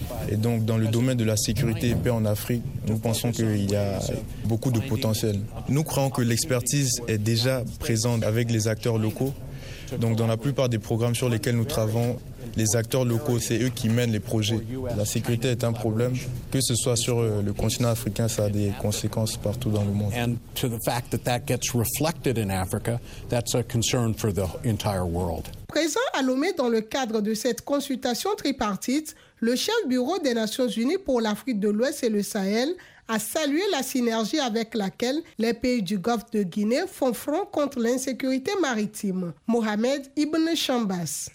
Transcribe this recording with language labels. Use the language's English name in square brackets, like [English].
[French] Et donc, dans le domaine de la sécurité et paix en Afrique, nous pensons qu'il y a beaucoup de potentiel. Nous croyons que l'expertise est déjà présente avec les acteurs locaux. Donc, dans la plupart des programmes sur lesquels nous travaillons, les acteurs locaux, c'est eux qui mènent les projets. La sécurité est un problème, que ce soit sur le continent africain, ça a des conséquences partout dans le monde. [English] And to the fact that that gets reflected in Africa, that's a concern for the entire world. [French] Présent à Lomé dans le cadre de cette consultation tripartite, le chef bureau des Nations Unies pour l'Afrique de l'Ouest et le Sahel a salué la synergie avec laquelle les pays du Golfe de Guinée font front contre l'insécurité maritime. Mohamed Ibn Chambas.